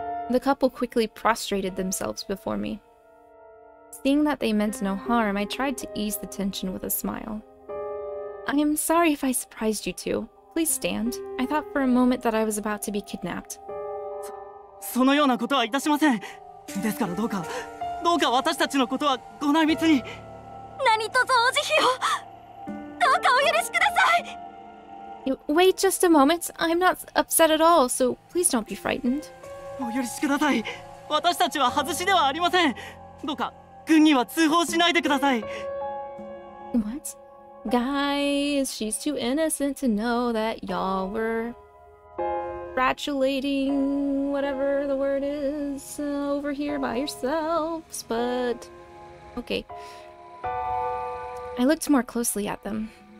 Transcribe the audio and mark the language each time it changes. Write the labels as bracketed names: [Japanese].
[English] The couple quickly prostrated themselves before me. Seeing that they meant no harm, I tried to ease the tension with a smile. I am sorry if I surprised you two. Please stand. I thought for a moment that I was about to be kidnapped. [Japanese] そのようなことはいたしません。ですからどうか、どうか私たちのことはご内密に。何とぞお慈悲を。どうかお許しください。 [English] Wait just a moment. I'm not upset at all, so please don't be frightened. [Japanese] お許しください。私たちは外しではありません。どうか、軍には通報しないでください。 [English] What? Guys, she's too innocent to know that y'all were... ...gratulating whatever the word is over here by yourselves, but... Okay. I looked more closely at them.